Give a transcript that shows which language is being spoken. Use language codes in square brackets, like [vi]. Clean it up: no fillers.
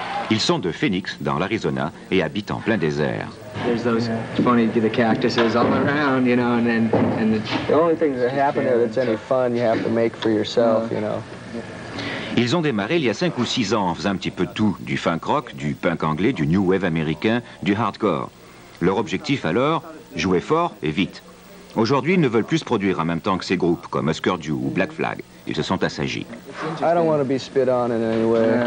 [fr] Ils sont de Phoenix, dans l'Arizona, et habitent en plein désert. [en] There's those funny, the cactuses all around, you know, and the only thing that happened there that's any fun, you have to make for yourself, you know. [fr] Ils ont démarré il y a 5 ou 6 ans, en faisant un petit peu tout, du funk rock, du punk anglais, du new wave américain, du hardcore. Leur objectif alors, jouer fort et vite. Aujourd'hui, ils ne veulent plus se produire en même temps que ces groupes, comme Husker Du ou Black Flag. Ils se sont assagis. [en] I don't want to be spit on in any way.